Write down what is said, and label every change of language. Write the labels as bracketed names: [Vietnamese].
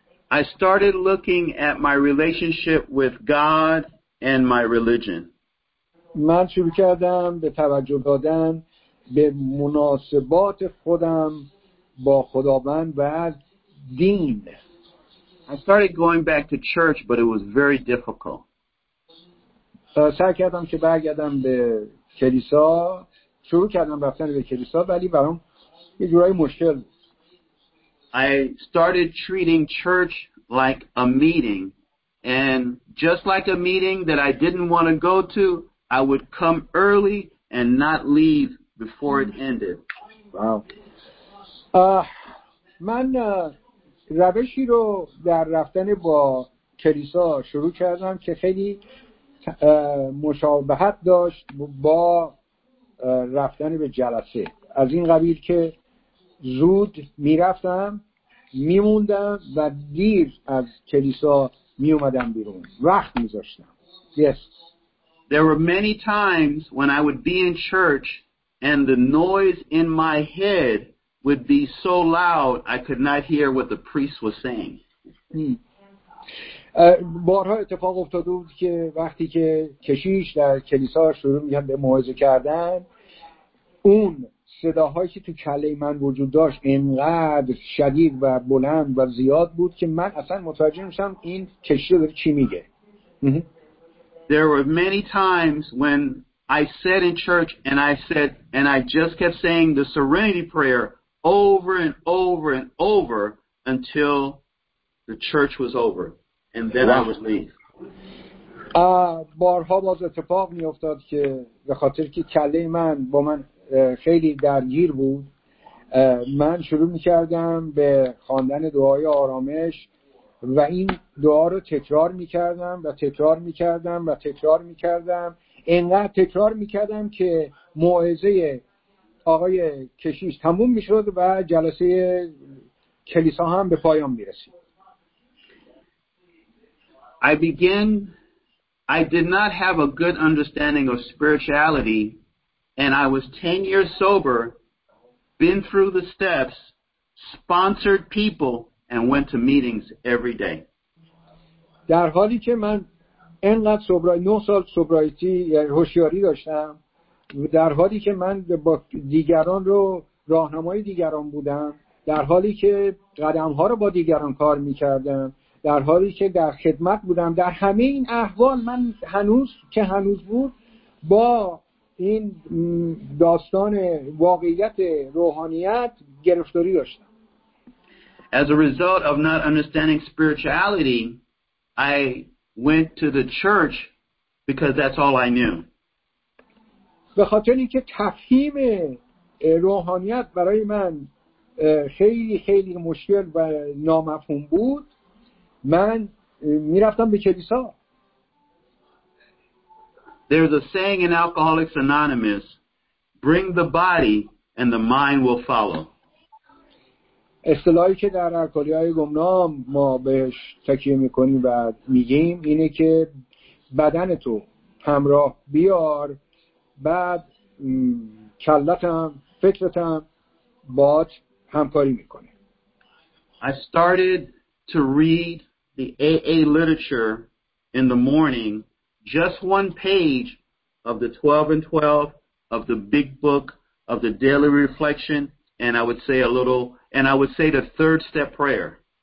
[English] I started looking at my relationship with God and my religion. [Persian] من شروع کردم به توجه دادن به مناسبات خودم با خداوند و دین. [English] I started going back to church, but it was very difficult. [Persian] سعی کردم که برگردم به کلیسا. شروع کردم رفتن به کلیسا ولی برام یه جورایی مشکل بود. [English] I started treating church like a meeting, and just like a meeting that I didn't want to go to, I would come early and not leave before it ended. Wow. [Persian] من روشی رو در رفتن با کلیسا شروع کردم که خیلی مشابهت داشت با رفتن به جلسه. از این قبیل که زود میرفتم میموندم و دیر از کلیسا میومدم بیرون. وقت میذاشتم. [English] Yes. There were many times when I would be in church and the noise in my head would be so loud I could not hear what the priest was saying. [Persian] بارها اتفاق افتاده بود که وقتی که کشیش در کلیسا شروع میکرد به موعظه کردن، اون صداهایی که تو کله من وجود داشت اینقدر شدید و بلند و زیاد بود که من اصلا متوجه نمیشم این کشیش داره چی میگه. [English] There were many times when I sat in church and I said and I just kept saying the serenity prayer over and over and over until the church was over and then I would leave. [Persian] بارها باز اتفاق می افتاد که به خاطر که کله من با من خیلی درگیر بود، من شروع می کردم به خواندن دعای آرامش و این دعا رو تکرار می کردم و تکرار می کردم و تکرار می کردم، اینقدر تکرار می کردم که موعظه آقای کشیش تموم می شد و جلسه کلیسا هم به پایان می رسید. [English] I did not have a good understanding of spirituality and I was 10 years sober, been through the steps, sponsored people and went to meetings every day. [Persian] در حالی که من انقدر سوبرای 9 سال سوبرایتی هوشیاری داشتم، در حالی که من با دیگران رو راهنمای دیگران بودم، در حالی که قدم‌ها رو با دیگران کار می‌کردم، در حالی که در خدمت بودم، در همه این احوال من هنوز که هنوز بود با این داستان واقعیت روحانیت گرفتاری داشتم. [English] As a result of not understanding spirituality, I went to the church because that's all I knew. [Persian] به خاطر اینکه تفهیم روحانیت برای من خیلی خیلی مشکل و نامفهوم بود، من میرفتم به کلیسا. [English] There's a saying in Alcoholics Anonymous, bring the body and the mind will follow. [Persian] اصطلاحی که در الکلی‌های گمنام ما بهش تکیه میکنیم و میگیم اینه که بدن تو همراه بیار، بعد کلتم فکرتم باهات همکاری میکنه. [English] I started to read the AA literature in the morning, just one page of the 12 and 12 of the big book of the daily reflection, and I would say a little and I would say the third step prayer.